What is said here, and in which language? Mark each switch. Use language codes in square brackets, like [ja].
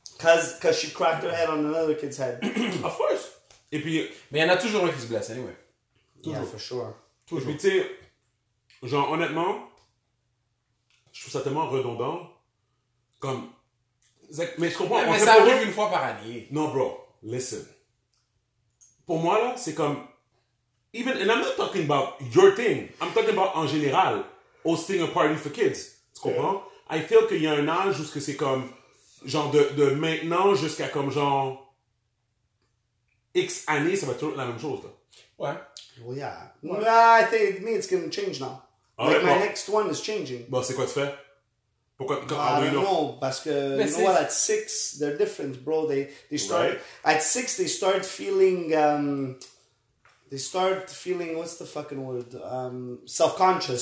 [en] Because she cracked her head on another kid's head. Of course. [fr] Et puis, mais il y en a toujours un qui se blesse, anyway. Toujours. [en] Yeah, for sure. [fr] Toujours. Et puis, tu sais, genre, honnêtement, je trouve ça tellement redondant. Comme, mais je comprends. Mais ça arrive une fois par année. [en] Non, bro. Listen, [fr] pour moi, là, c'est comme, [en] even, and I'm not talking about your thing, I'm talking about, [fr] en général, [en] hosting a party for kids, [fr] tu comprends? [en] Yeah. I feel [fr] qu'il y a un âge où c'est comme, genre, de maintenant jusqu'à comme, genre, X années, ça va être la même chose, là. Ouais. [en] Well, yeah. [fr] Ouais. [en] Well, I think, me, it's gonna change now. All like, right, my next one is changing. [fr] Bon, c'est quoi tu fais? Pourquoi, [en] I don't know, [fr] parce que, mais [en] you know what, at six, they're different, bro, they start, at six, they start feeling, what's the fucking word, self-conscious.